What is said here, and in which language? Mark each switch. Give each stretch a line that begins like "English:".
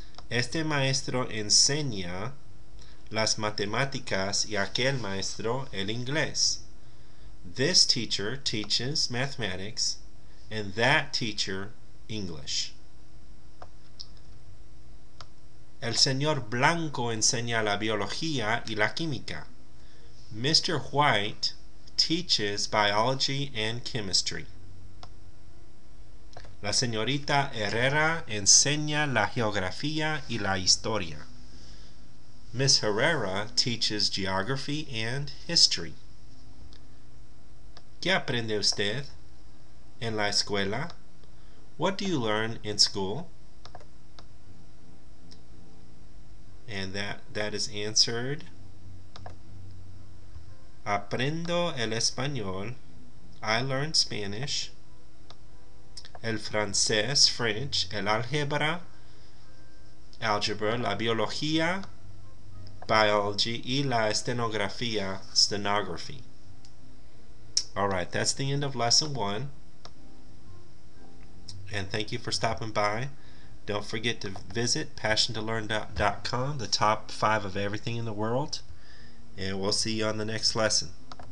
Spanish: Este maestro enseña las matemáticas y aquel maestro el inglés.
English: This teacher teaches mathematics and that teacher English.
Spanish: El señor Blanco enseña la biología y la química. Mr.
English: White teaches biology and chemistry.
Spanish: La señorita Herrera enseña la geografía y la historia.
English: Miss Herrera teaches geography and history.
Spanish: ¿Qué aprende usted en la escuela?
English: What do you learn in school? And that is answered.
Spanish: Aprendo el español.
English: I learn Spanish.
Spanish: El francés, French, el álgebra, algebra, la biología, biology, y la estenografía, stenography.
English: All right, that's the end of lesson one. And thank you for stopping by. Don't forget to visit passiontolearn.com, the top five of everything in the world. And we'll see you on the next lesson.